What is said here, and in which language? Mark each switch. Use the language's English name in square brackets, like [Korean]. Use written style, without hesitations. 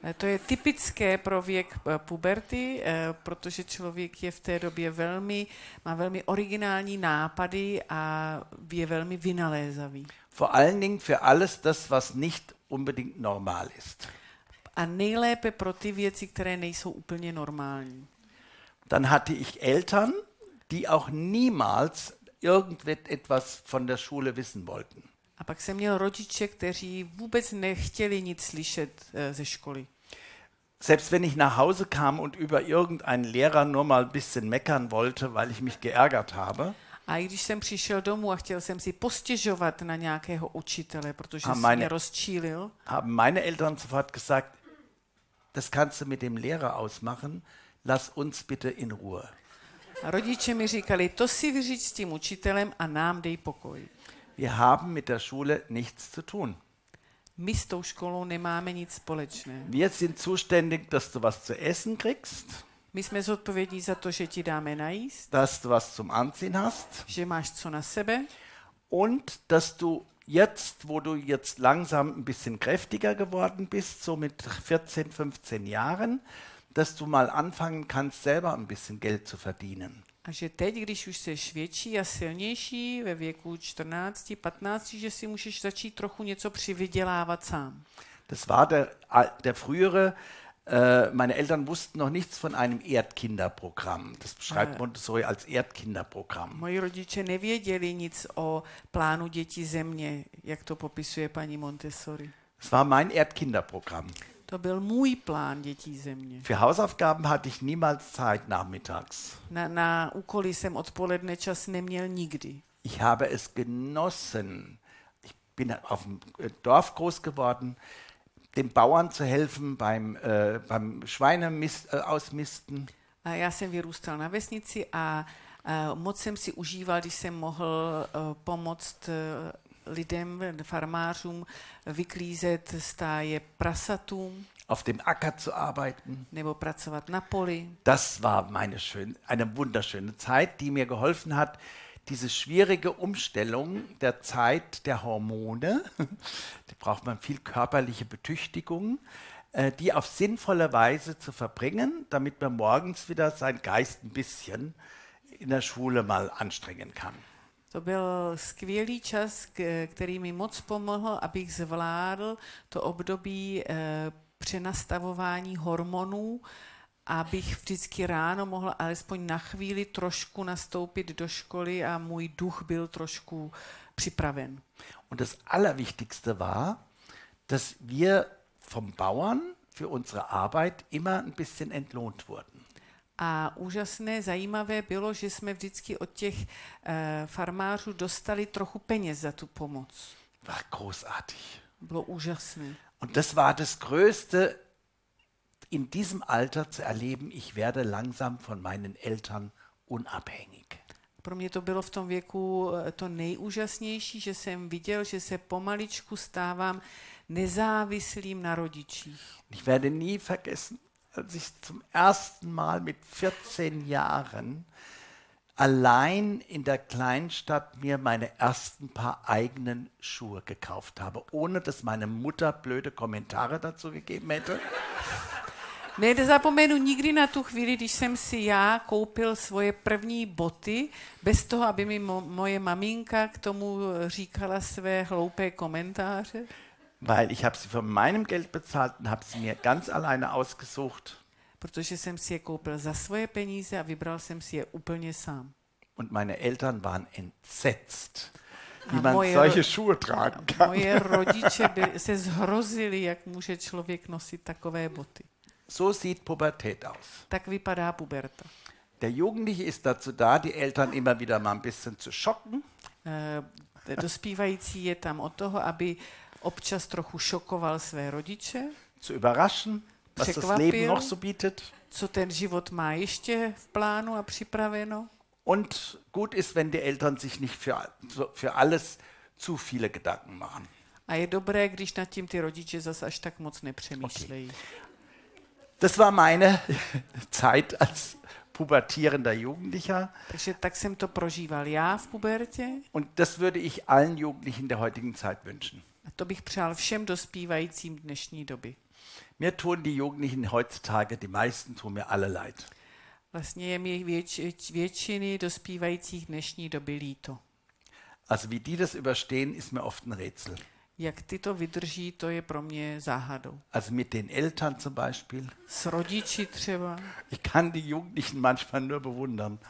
[Czech] To je typické pro věk puberty, protože člověk je v té době velmi, má velmi originální nápady a je velmi vynalézavý. [German] Vor allen Dingen für alles das, was nicht unbedingt normal ist. [Czech] A nejlépe pro ty věci, které nejsou úplně normální. [German] Dann hatte ich Eltern, die auch niemals irgendetwas von der Schule wissen wollten. [Czech] A pak jsem měl rodiče, kteří vůbec nechtěli nic slyšet ze školy. [German] Selbst wenn ich nach Hause kam und über irgendeinen Lehrer nur mal ein bisschen meckern wollte, weil ich mich geärgert habe. [Czech] A i když jsem přišel domů a chtěl jsem si postěžovat na nějakého učitele, protože jsi mě rozčílil. [German] Haben meine Eltern sofort gesagt, das kannst du mit dem Lehrer ausmachen, lass uns bitte in Ruhe. [Czech] A rodiče mi říkali, to si vyřiď s tím učitelem a nám dej pokoj. [German] Wir haben mit der Schule nichts zu tun. [Czech] My s tou školou nemáme nic společné. [German] Wir sind zuständig, dass du was zu essen kriegst. [Czech] My jsme zodpovědní za to, že ti dáme najíst. [German] Dass du was zum Anziehen hast. [Czech] Že máš co na sebe. [German] Und dass du jetzt, wo du jetzt langsam ein bisschen kräftiger geworden bist, so mit 14, 15 Jahren, dass du mal anfangen kannst, selber ein bisschen Geld zu verdienen. [Czech] A že teď, když už seš větší a silnější ve věku 14, 15, že si můžeš začít trochu něco přivydělávat sám. [German] Das war der frühere, meine Eltern wussten noch nichts von einem Erdkinderprogramm. Das beschreibt Montessori als Erdkinderprogramm. [Czech] Moji rodiče nevěděli nic o plánu dětí země, jak to popisuje paní Montessori. [German] Das war mein Erdkinderprogramm. [Czech] To byl můj plán dětí země. [German] Für Hausaufgaben hatte ich niemals Zeit nachmittags. [Czech] Na úkoly jsem odpoledne čas neměl nikdy. [German] Ich habe es genossen. Ich bin auf dem Dorf groß geworden, den Bauern zu helfen beim Schweinemist ausmisten. [Czech] A já jsem vyrůstal na vesnici a moc jsem si užíval, když jsem mohl pomoct lidem, farmářům vyklízet stáje prasatům. [German] Auf dem Acker zu arbeiten. [Czech] Nebo pracovat na poli. [German] Das war eine wunderschöne Zeit, die mir geholfen hat, diese schwierige Umstellung der Zeit der Hormone, da braucht man viel körperliche Betüchtigung, die auf sinnvolle Weise zu verbringen, damit man morgens wieder seinen Geist ein bisschen in der Schule mal anstrengen kann. [Czech] To byl skvělý čas, který mi moc pomohl, abych zvládl to období přenastavování hormonů, abych vždycky ráno mohl alespoň na chvíli trošku nastoupit do školy a můj duch byl trošku připraven. [German] Und das Allerwichtigste war, dass wir vom Bauern für unsere Arbeit immer ein bisschen entlohnt wurden. [Czech] A úžasné, zajímavé bylo, že jsme vždycky od těch farmářů dostali trochu peněz za tu pomoc. [German] War großartig. [Czech] Bylo úžasné. [German] Und das war das Größte in diesem Alter zu erleben, ich werde langsam von meinen Eltern unabhängig. [Czech] Pro mě to bylo v tom věku to nejúžasnější, že jsem viděl, že se pomaličku stávám nezávislým na rodičích. [German] Ich werde nie vergessen, als ich zum ersten Mal mit 14 Jahren allein in der Kleinstadt mir meine ersten paar eigenen Schuhe gekauft habe, ohne dass meine Mutter blöde Kommentare dazu gegeben hätte. [Czech] Nezapomenu nikdy na tu chvíli, když jsem si já koupil svoje první boty, bez toho, aby mi moje maminka k tomu říkala své hloupé komentáře. [German] Weil ich habe sie von meinem Geld bezahlt und habe sie mir ganz alleine ausgesucht. [Czech] Protože jsem si je koupil za svoje peníze a vybral jsem si je úplně sám. [German] Und meine Eltern waren entsetzt, wie man solche Schuhe tragen kann. [Czech] Moje rodiče se zhrozili, jak může člověk nosit takové boty. [German] So sieht Pubertät aus. [Czech] Tak vypadá puberta. [German] Der Jugendliche ist dazu da, die Eltern immer wieder mal ein bisschen zu schocken. [Czech] Dospívající je tam o toho, aby občas trochu šokoval své rodiče. [German] Zu überraschen, was das Leben noch so bietet. [Czech] Co ten život má ještě v plánu a připraveno. [German] Und gut ist, wenn die Eltern sich nicht für alles zu viele Gedanken machen. [Czech] A je dobré, když nad tím ty rodiče zase až tak moc nepřemýšlejí. Okay. [German] Das war meine Zeit als pubertierender Jugendlicher. [Czech] Takže tak jsem to prožíval já v pubertě. [German] Und das würde ich allen Jugendlichen der heutigen Zeit wünschen. [Czech] A to bych přál všem dospívajícím dnešní doby. [German] Mir tun die Jugendlichen heutzutage, die meisten tun mir alle leid. [Czech] Vlastně je mi většiny dospívajících dnešní doby líto. [German] Also wie die das überstehen, ist mir oft ein Rätsel. [Czech] Jak ty to vydrží, to je pro mě záhadou. [German] Also mit den Eltern zum Beispiel. [Czech] S rodiči třeba. [German] Ich kann die Jugendlichen manchmal nur bewundern.